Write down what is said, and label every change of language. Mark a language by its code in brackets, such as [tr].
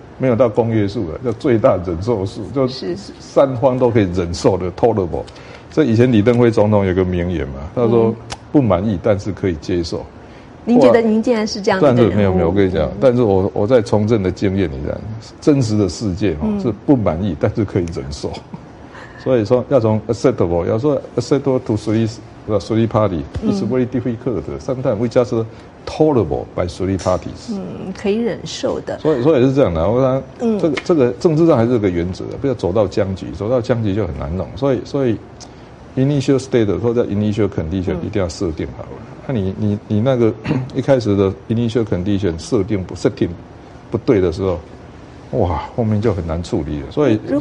[zh] 没有到公约数了，叫最大忍受数，就是三方都可以忍受的 tolerable。这以前李登辉总统有个名言嘛，他说不满意但是可以接受。您觉得您竟然是这样的人？但是没有，我跟你讲，但是我在从政的经验里面，真实的世界是不满意但是可以忍受。所以说要从 [en] acceptable， [zh] 要说 [en] acceptable to three parties is very difficult， sometimes we just tolerable by three parties， [zh] 可以忍受的。所以也是这样的，我想这个政治上还是有个原则的，不要走到僵局就很难弄。所以 initial state 或者 initial condition 一定要设定好了。你那个一开始的 initial condition 设定不对的时候，哇，后面就很难处理了。所以